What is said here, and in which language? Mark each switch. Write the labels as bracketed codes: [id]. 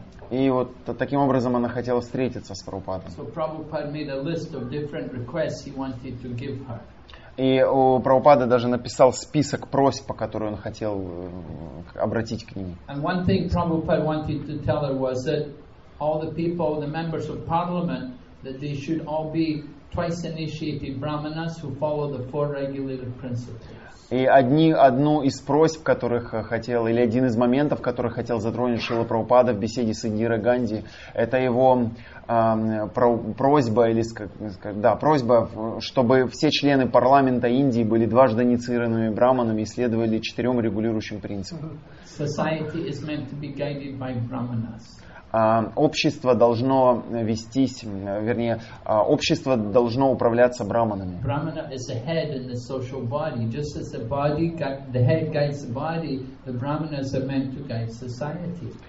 [ru] и вот таким образом она хотела встретиться с Прабхупадой. [en] So Prabhupada made a list of different requests he wanted to give her. [ru] И у Прабхупады даже написал список просьб, по которым он хотел обратить к ним. [en] And one thing Prabhupada wanted to tell her was that all the people, the members of parliament, that they should all be twice initiated brahmanas who follow the four regulative principles. [ru] И одну из просьб, которых хотел, или один из моментов, который хотел затронуть Шрила Прабхупада в беседе с Индирой Ганди, это его просьба, или просьба, чтобы все члены парламента Индии были дважды инициированными брахманами и следовали четырем регулирующим принципам. [en] Society is meant to be guided by brahmanas. [ru] Общество должно вестись, вернее, общество должно управляться брахманами. [en] Brahmana is the head in the social body. Just as the body, the head guides the body, the brahmanas are meant to guide society.